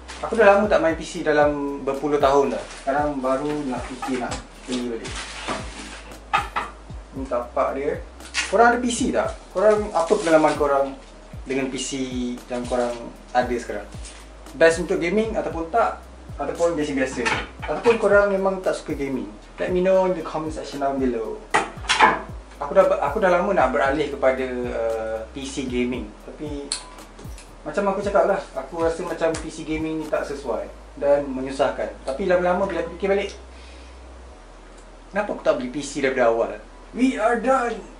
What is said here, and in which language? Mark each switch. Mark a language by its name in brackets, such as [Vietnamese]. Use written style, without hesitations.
[Malay] Aku dah lama tak main PC, dalam berpuluh tahun dah. Sekarang baru nak fikir nak beli balik. Ini tapak dia. Korang ada PC tak? Korang, apa pengalaman korang dengan PC yang korang ada sekarang? Best untuk gaming ataupun tak? Ataupun biasa-biasa? Ataupun korang memang tak suka gaming? [English] Let me know in the comment section down below. [Malay] Aku dah lama nak beralih kepada PC gaming. Tapi macam aku cakap lah, aku rasa macam PC gaming ni tak sesuai dan menyusahkan. Tapi lama-lama bila fikir balik, kenapa aku tak beli PC daripada awal? [English] We are done!